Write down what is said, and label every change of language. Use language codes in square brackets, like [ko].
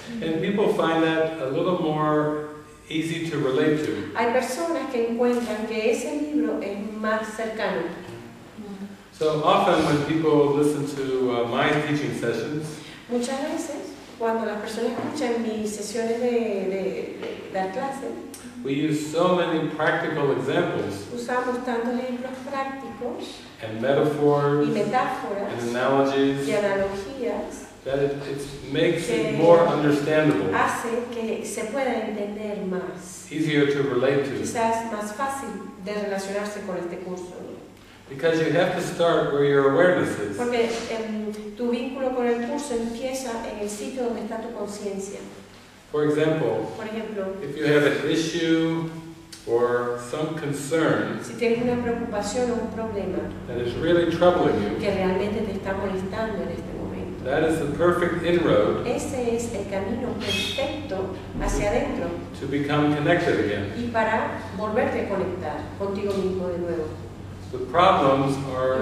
[en] And people find that a little more easy to relate to. [es] Hay personas que encuentran que ese libro es más cercano. [en] So often when people listen to my teaching sessions. [es] Muchas veces. Cuando las personas escuchan mis sesiones de dar clase, [en] we use so many practical examples, [es] usamos tantos ejemplos prácticos [en] and metaphors, [es] y metáforas [en] and analogies, [es] y analogías [en] that it makes it more understandable, [es] hace que se pueda entender más, [en] easier to relate to, [es] quizás más fácil de relacionarse con este curso. [en] Because you have to start where your awareness is. [es] Porque tu vínculo con el curso empieza en el sitio donde está tu conciencia. [en] For example, [es] por ejemplo, [en] if you have an issue or some concern, [es] si tienes una preocupación o un problema, [en] that is really troubling you, [es] que realmente te está molestando en este momento, [en] that is the perfect inroad, [es] ese es el camino perfecto hacia adentro, [en] to become connected again, [es] y para volverte a conectar contigo mismo de nuevo. [en] The problems are,